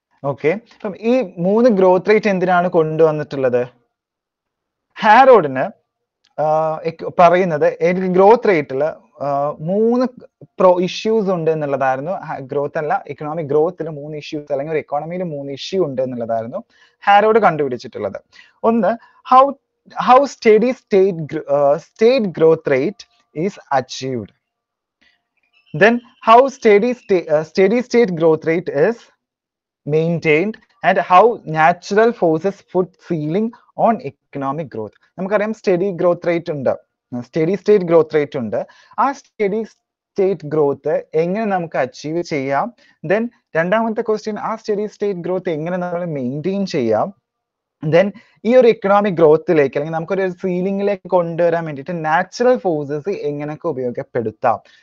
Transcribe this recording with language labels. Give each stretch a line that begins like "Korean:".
Malayalam: Okay, അപ്പം ഈ മൂന്ന് ഗ്രോത്ത് റേറ്റ് എന്തിനാണ് കൊണ്ടുവന്നിട്ടുള്ളത്? ഹാരോഡിന് പറയുന്നത് എനിക്ക് ഗ്രോത്ത് റേറ്റിൽ മൂന്ന് ഇഷ്യൂസ് ഉണ്ട് എന്നുള്ളതായിരുന്നു. ഗ്രോത്ത് അല്ല, ഇക്കണോമിക് ഗ്രോത്തിൽ മൂന്ന് ഇഷ്യൂസ് അല്ലെങ്കിൽ ഒരു ഇക്കോണമിയിൽ മൂന്ന് ഇഷ്യൂ ഉണ്ട് എന്നുള്ളതായിരുന്നു ഹാരോഡ് കണ്ടുപിടിച്ചിട്ടുള്ളത്.
English: ഒന്ന്, how steady state growth rate is achieved, then how steady state growth rate is maintained, and how natural forces put ceiling on economic growth.
Malayalam: നമുക്കറിയാം സ്റ്റഡി ഗ്രോത്ത് റേറ്റ് ഉണ്ട്, steady state growth rate ഉണ്ട്. ആ steady state growth എങ്ങനെ നമുക്ക് achieve ചെയ്യാം? Then രണ്ടാമത്തെ question, ആ steady state growth എങ്ങനെ നമ്മൾ മെയിൻറ്റെയിൻ ചെയ്യാം? ദെൻ ഈ ഒരു ഇക്കണോമിക് ഗ്രോത്തിലേക്ക് അല്ലെങ്കിൽ നമുക്കൊരു സീലിംഗിലേക്ക് കൊണ്ടുവരാൻ വേണ്ടിയിട്ട് നാച്ചുറൽ ഫോഴ്സസ് എങ്ങനെയൊക്കെ ഉപയോഗപ്പെടുത്താം?